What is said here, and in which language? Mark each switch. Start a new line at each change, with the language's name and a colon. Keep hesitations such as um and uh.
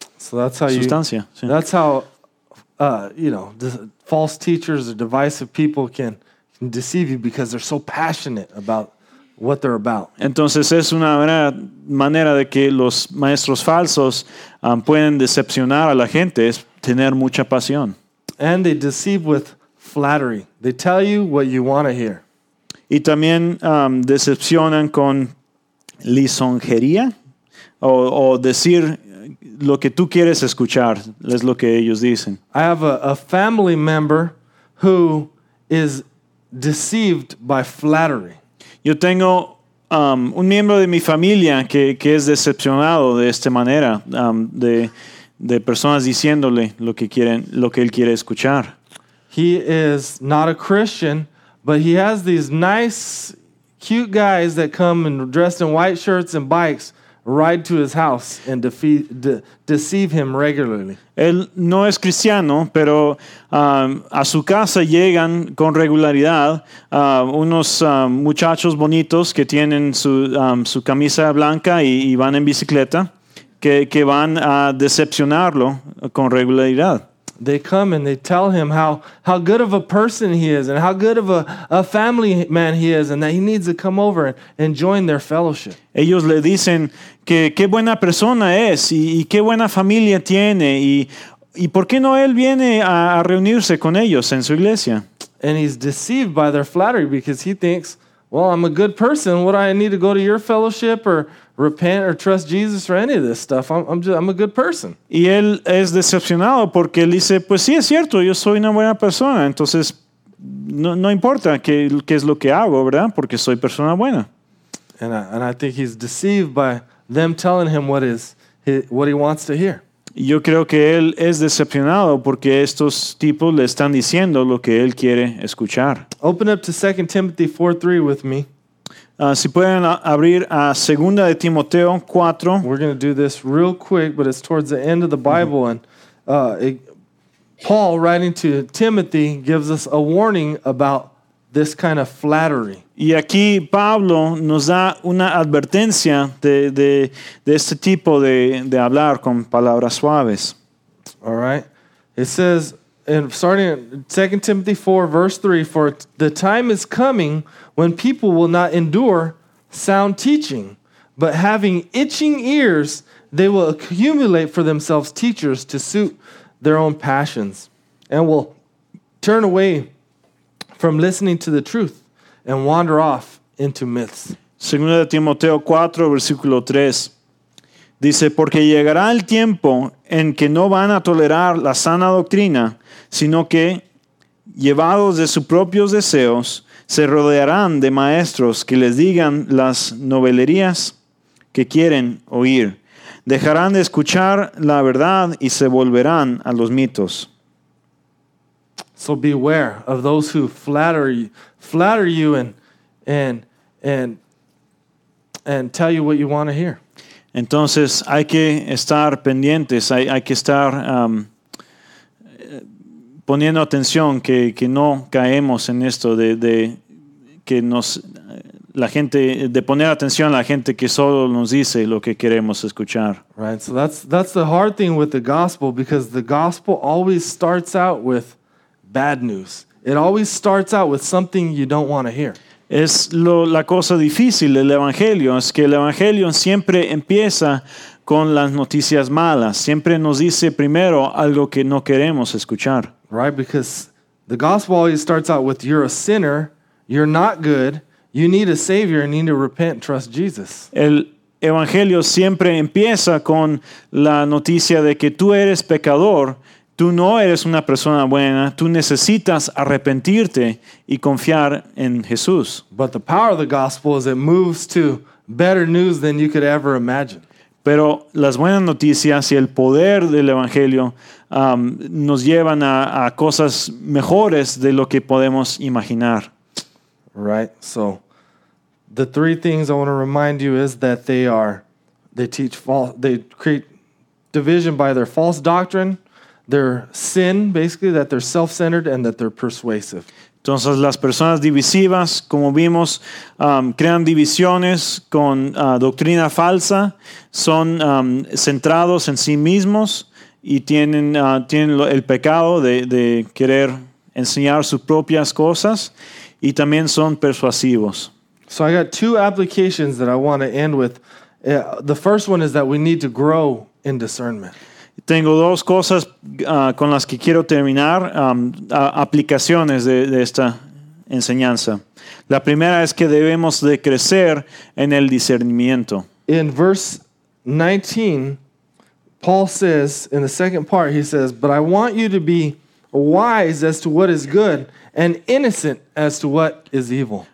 English: So that's how Sustancia, You, yeah. That's how, uh, you know, the false teachers or divisive people can, can deceive you because they're so passionate about what they're about.
Spanish: Entonces es una manera, manera de que los maestros falsos um, pueden decepcionar a la gente es tener mucha pasión.
English: And they deceive with flattery. They tell you what you want to hear.
Spanish: Y también um, decepcionan con lisonjería o, o, decir lo que tú quieres escuchar es lo que ellos dicen.
English: I have a, a family member who is deceived by flattery.
Spanish: Yo tengo um, un miembro de mi familia que, que es decepcionado de esta manera um, de, de, personas diciéndole lo que quieren lo que él quiere escuchar.
English: He is not a Christian, but he has these nice cute guys that come and dressed in white shirts and bikes ride to his house and defeat, de- deceive him regularly.
Spanish: Él no es cristiano, pero um, a su casa llegan con regularidad uh, unos uh, muchachos bonitos que tienen su, um, su camisa blanca y, y van en bicicleta, que, que van a decepcionarlo con regularidad
English: they come and they tell him how, how good of a person he is and how good of a, a family man he is and that he needs to come over and, and join their fellowship.
Spanish: Ellos le dicen que qué buena persona es y, y qué buena familia tiene y, y por qué no él viene a, a reunirse con ellos en su iglesia.
English: And he's deceived by their flattery because he thinks, well, I'm a good person. What do I need to go to your fellowship or repent or trust Jesus or any of this stuff? I'm, I'm, just, I'm a good person.
Spanish: Y él es decepcionado porque él dice, pues sí, es cierto, yo soy una buena persona. Entonces, no, no importa qué, qué es lo que hago, ¿verdad? Porque soy persona buena.
English: And I, and I think he's deceived by them telling him what, is, what he wants to hear.
Spanish: yo creo que él es decepcionado porque estos tipos le están diciendo lo que él quiere escuchar.
English: Open up to 2 Timothy 4:3 with me.
Spanish: Uh, si pueden a- abrir a segunda de Timoteo 4.
English: We're going to do this real quick, but it's towards the end of the Bible mm-hmm. and uh, it, Paul writing to Timothy gives us a warning about this kind of flattery. Y aquí Pablo nos da una advertencia de, de, de este tipo de, de hablar con palabras suaves. All right. It says, and starting in 2 Timothy 4, verse 3, for the time is coming when people will not endure sound teaching, but having itching ears, they will accumulate for themselves teachers to suit their own passions and will turn away. from listening to the truth and wander off into myths.
Spanish: Segundo de Timoteo 4, versículo 3. Dice, porque llegará el tiempo en que no van a tolerar la sana doctrina, sino que, llevados de sus propios deseos, se rodearán de maestros que les digan las novelerías que quieren oír. Dejarán de escuchar la verdad y se volverán a los mitos.
English: So beware of those who flatter you, flatter you and, and, and, and tell you what you want to hear.
Spanish: Entonces hay que estar pendientes, hay, hay que estar um, poniendo atención que, que no caemos en esto de, de que nos la gente de poner atención a la gente que solo nos dice lo que queremos escuchar.
English: Right, so that's that's the hard thing with the gospel because the gospel always starts out with bad news. It always starts out with something you don't want to hear.
Spanish: Es lo, la cosa difícil del evangelio, es que el evangelio siempre empieza con las noticias malas, siempre nos dice primero algo que no queremos escuchar.
English: Right because the gospel always starts out with you're a sinner, you're not good, you need a savior and you need to repent trust Jesus.
Spanish: El evangelio siempre empieza con la noticia de que tú eres pecador, tú no eres una persona buena, tú necesitas arrepentirte y confiar en Jesús.
English: But the power of the is moves to better news than you could ever imagine.
Spanish: Pero las buenas noticias y el poder del Evangelio um, nos llevan a, a cosas mejores de lo que podemos imaginar.
English: Right, so the three things I want to remind you is that they are, they teach false, they create division by their false doctrine, their sin, basically, that they're self-centered and that they're persuasive.
Spanish: Entonces, las personas divisivas, como vimos, um, crean divisiones con uh, doctrina falsa, son um, centrados en sí mismos y tienen, uh, tienen el pecado de, de querer enseñar sus propias cosas y también son persuasivos.
English: So I got two applications that I want to end with. Uh, the first one is that we need to grow in discernment.
Spanish: tengo dos cosas uh, con las que quiero terminar, um, a, aplicaciones de, de esta enseñanza. La primera es que debemos de crecer en el discernimiento.
English: In verse 19, Paul says, in the second part, he says, But I want you to be wise as to what is good and innocent as to what is evil.